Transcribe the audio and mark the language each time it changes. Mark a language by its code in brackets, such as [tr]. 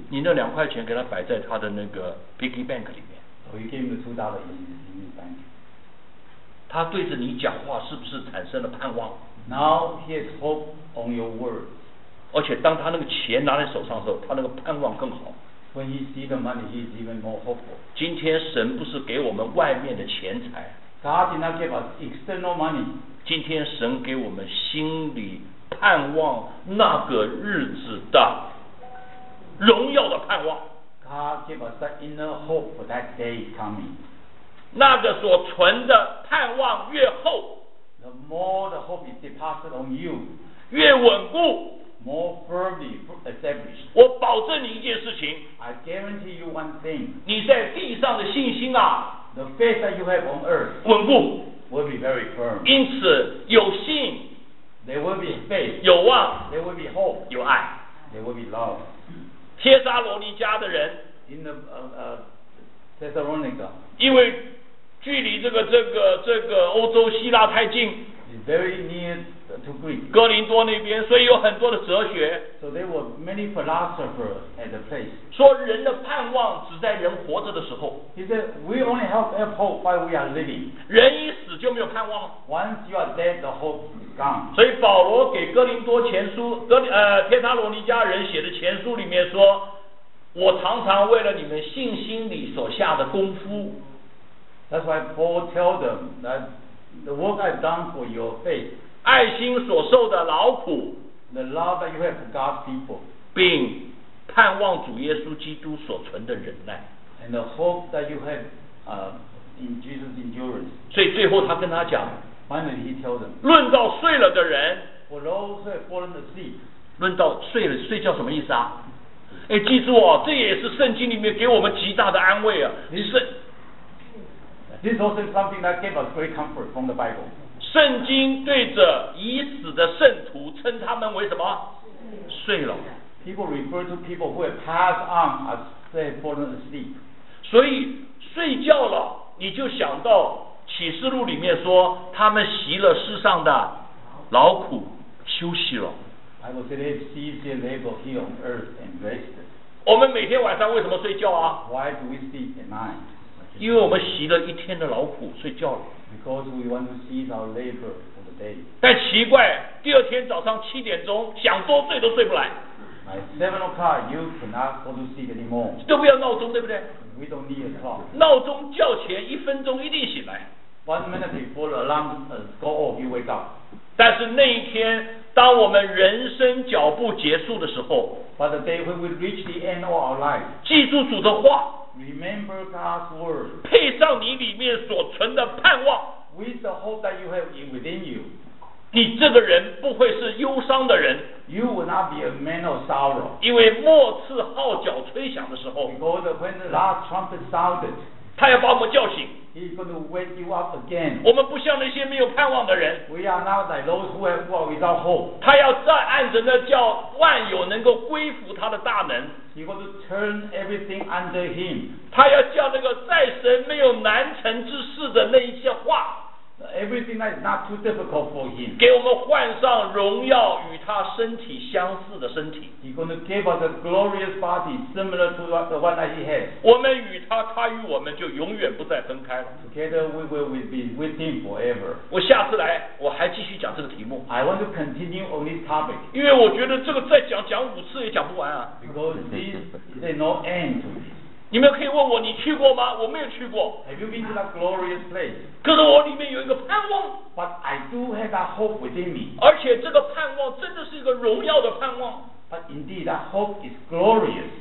[zh] 你那两块钱给他摆在他的那个 [en] piggy bank [zh] 里面。 [en] So he gave him $2 in his bank. [zh] 他对着你讲话，是不是产生了盼望？ [en] Now he has hope on your words. [zh] 而且当他那个钱拿在手上的时候，他那个盼望更好。 [en] When he see the money, he is even more hopeful. [zh] 今天神不是给我们外面的钱财。 [en] God did not give us external money. [zh] 今天神给我们心里盼望那个日子的荣耀的盼望。 [en] God give us the inner hope for that day coming. [zh] 那个所存的盼望越厚。 [en] The more the hope is deposited on you. [zh] 越稳固。 [en] More firmly established. [zh] 我保证你一件事情。 [en] I guarantee you one thing. [zh] 你在地上的信心啊。 [en] The faith that you have on earth. [zh] 稳固。 [en] Will be very firm. [zh] 因此有信。 [en] There will be faith. [zh] 有望。 [en] There will be hope. [zh] 有爱。 [en] There will be love. [zh] 帖撒罗尼迦的人。 [en] In the, Thessalonica. [zh] 因为距离这个欧洲希腊太近。 [en] It's very near to Greek. [zh] 哥林多那边，所以有很多的哲学。 [en] So there were many philosophers at the place. [zh] 说人的盼望只在人活着的时候。 [en] He said we only have hope while we are living. [zh] 人一死就没有盼望。 [en] Once you are dead, the hope is gone. [zh] 所以保罗给哥林多前书，帖撒罗尼迦人写的前书里面说，我常常为了你们信心里所下的功夫。 [en] That's why Paul tells them that the work I've done for your faith. [zh] 爱心所受的劳苦。 [en] The love that you have for God's people. [zh] 并盼望主耶稣基督所存的忍耐。 [en] And the hope that you have, in Jesus' endurance. [zh] 所以最后他跟他讲。 [en] Finally he tells them. [zh] 论到睡了的人。 [en] For those who have fallen asleep. [zh] 论到睡了，睡觉什么意思啊？哎，记住哦，这也是圣经里面给我们极大的安慰啊。你是。 [en] This is also something that gave us great comfort from the Bible. [zh] 圣经对着已死的圣徒称他们为什么？睡了。 [en] People refer to people who have passed on as they have fallen asleep. [zh] 所以睡觉了，你就想到启示录里面说他们习了世上的劳苦，休息了。 [en] I will say they have ceased their labor here on earth and rested. [zh] 我们每天晚上为什么睡觉啊？ [en] Why do we sleep at night? [zh] 因为我们习了一天的劳苦，睡觉了。 [en] Because we want to cease our labor for the day. [zh] 但奇怪，第二天早上七点钟，想多睡都睡不来。 [en] At 7 o'clock, you cannot go to sleep anymore. [zh] 都不要闹钟，对不对？ [en] We don't need a clock. [zh] 闹钟叫前一分钟一定醒来。 [en] One minute before the alarm go off, you wake up. [zh] 但是那一天，当我们人生脚步结束的时候 [en] ，But the day when we reach the end of our life, [zh] 记住主的话。 [en] Remember God's word. [zh] 配上你里面所存的盼望。 [en] With the hope that you have within you. [zh] 你这个人不会是忧伤的人。 [en] You will not be a man of sorrow. [zh] 因为末次号角吹响的时候。 [en] Because when the last trumpet sounded. [zh] 他要把我们叫醒。 [en] He's going to wake you up again. [zh] 我们不像那些没有盼望的人。 [en] We are not like those who have walked without hope. [zh] 他要再按着那叫万有能够归服他的大能。 [en] He's going to turn everything under him. [zh] 他要叫那个再神没有难成之事的那一些话。 [en] Everything that is not too difficult for him. [zh] 给我们换上荣耀与他身体相似的身体。 [en] He's going to give us a glorious body similar to the one that he has. [zh] 我们与他，他与我们就永远不再分开了。 [en] Together we will be with him forever. [zh] 我下次来，我还继续讲这个题目。 [en] I want to continue on this topic. [zh] 因为我觉得这个再讲五次也讲不完啊。 [en] Because this is no end to this. [zh] 你们可以问我，你去过吗？我没有去过。 [en] Have you been to that glorious place? [zh] 可是我里面有一个盼望。 [en] But I do have that hope within me. [zh] 而且这个盼望真的是一个荣耀的盼望。 [en] But indeed, that hope is glorious.